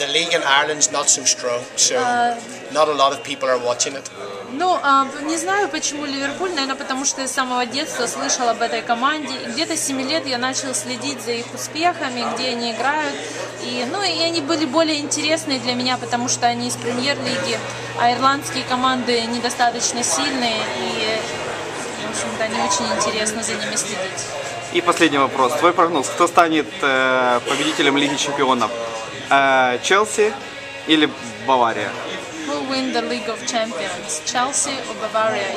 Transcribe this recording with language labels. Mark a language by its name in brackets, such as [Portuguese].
[English] The league in Ireland's not so strong, so not a lot of people are watching it. [Russian] Ну, не знаю, почему Ливерпуль, наверное, потому что я с самого детства слышал об этой команде. И где-то с 7 лет я начал следить за их успехами, где они играют. И, ну, и они были более интересны для меня, потому что они из премьер-лиги, а ирландские команды недостаточно сильные, и, в общем-то, они очень интересно за ними следить. И последний вопрос. Твой прогноз. Кто станет победителем Лиги Чемпионов? Челси или Бавария? [English] Who will win the League of Champions, Chelsea or Bavaria?